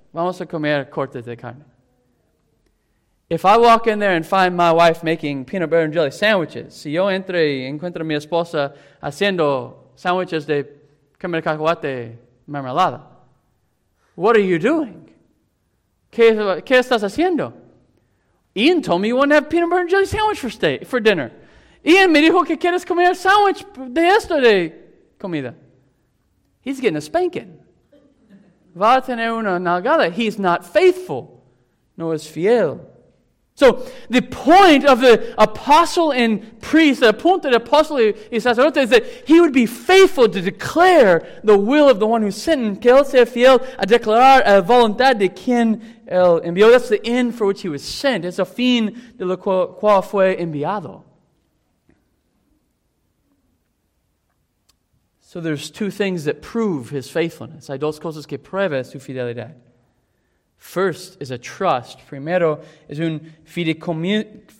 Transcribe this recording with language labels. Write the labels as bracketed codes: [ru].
[es] Vamos a comer cortes de carne. [en] If I walk in there and find my wife making peanut butter and jelly sandwiches, [es] si yo entro y encuentro a mi esposa haciendo sandwiches de carne de cacahuate mermelada, [en] what are you doing? [es] ¿Qué estás haciendo? [en] Ian told me you want to have peanut butter and jelly sandwich for dinner. [es] Ian me dijo que quieres comer sandwich de esto de comida. [en] He's getting a spanking. [es] Va a tener una nalgada. [en] He's not faithful. [es] No es fiel. [en] So, the point of the apostle and priest, [es] the punto de apóstol y sacerdote, [en] is that he would be faithful to declare the will of the one who sent him. [es] Que él sea fiel a declarar la voluntad de quien él envió. [en] That's the end for which he was sent. [es] Es el fin de lo cual fue enviado. [en] So there's two things that prove his faithfulness. [es] Hay dos cosas que prueba su fidelidad. [en] First is a trust. [es] Primero es un fideicomiso.